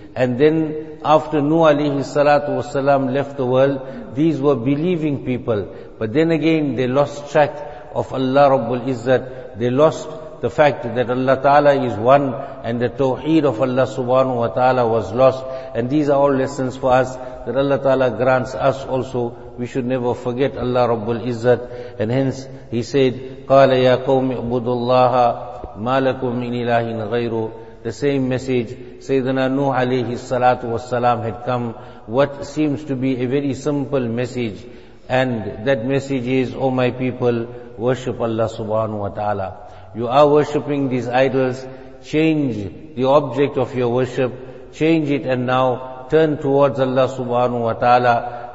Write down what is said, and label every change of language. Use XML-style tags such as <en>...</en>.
<en>And then after Nuh alayhi salatu wa salam left the world, these were believing people. But then again, they lost track of Allah Rabbul Izzat. They lost the fact that Allah Ta'ala is one and the Tawheed of Allah Subhanahu Wa Ta'ala was lost. And these are all lessons for us that Allah Ta'ala grants us also. We should never forget Allah Rabbul Izzat. And hence he said,</en> <ar>قَالَ يَا قَوْمِ اعْبُدُوا اللَّهَ مَا لَكُمْ مِنْ إِلَٰهٍ غَيْرُ.</ar> <en>The same message, Sayyidina Nuh alayhi salatu wassalam had come. What seems to be a very simple message. And that message is, O my people, worship Allah subhanahu wa ta'ala. You are worshipping these idols, change the object of your worship, change it and now turn towards Allah subhanahu wa ta'ala.</en>